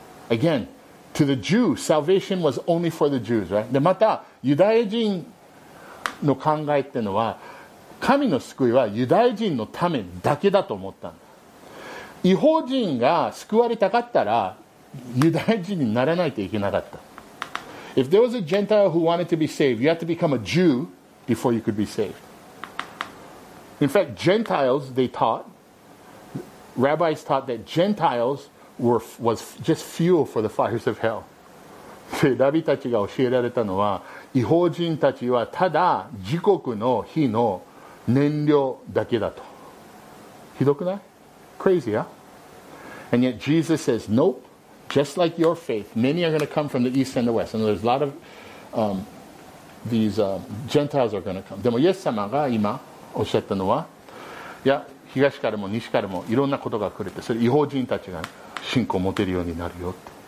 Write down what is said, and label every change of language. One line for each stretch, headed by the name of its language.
English: Again, to the Jew, salvation was only for the Jews, right?
Japanese: で、またユダヤ人の考えっていうのは、神の救いはユダヤ人のためだけだと思ったんだ。異邦人が救われたかったらユダヤ人にならないといけなかった。
English: If there was a Gentile who wanted to be saved, you had to become a Jew before you could be saved. In fact, Gentiles, they taught, rabbis taught that Gentiles was just fuel for the fires of hell.
Japanese: で、ラビたちが教えられたのは、異邦人たちはただ自国の火の燃料だけだと。ひどくない？
English: Crazy, huh? And yet Jesus says, nope, just like your faith, many are going to come from the east and the west. And there's a lot of these Gentiles are going to come.
Japanese: でもイエス様が今おっしゃったのは、いや、東からも西からもいろんなことが来るって、それ異邦人たちが信仰を持てるようになるよって。